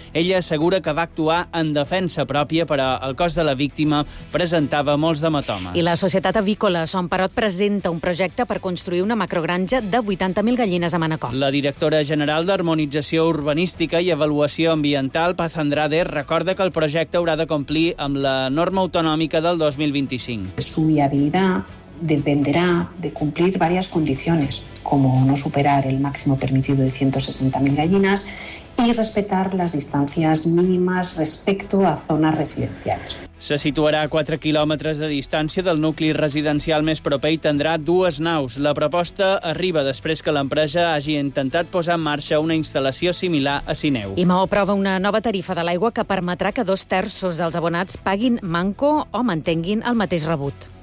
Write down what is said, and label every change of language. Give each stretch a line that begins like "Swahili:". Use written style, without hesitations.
Catalan: Ella assegura que va actuar en defensa pròpia, però el cos de la víctima presentava molts hematomes. I la societat avícola Son Perot presenta un projecte per construir una macrogranja de 80.000 gallines a Manacor. La directora general d'Harmonització Urbanística i Avaluació Ambiental Paz Andrade recorda que el projecte haurà de complir amb la norma autonòmica del 2025.
Spanish: Su viabilidad dependerá de cumplir varias condiciones, como no superar el máximo permitido de 160.000 gallinas y respetar las distancias mínimas respecto a zonas residenciales.
Catalan: Se situarà a 4 quilòmetres de distància del nucli residencial més proper i tindrà dues naus. La proposta arriba després que l'empresa hagi intentat posar en marxa una instal·lació similar a Sineu. I Mahó aprova una nova tarifa de l'aigua que permetrà que 2/3 dels abonats paguin manco o mantinguin el mateix rebut.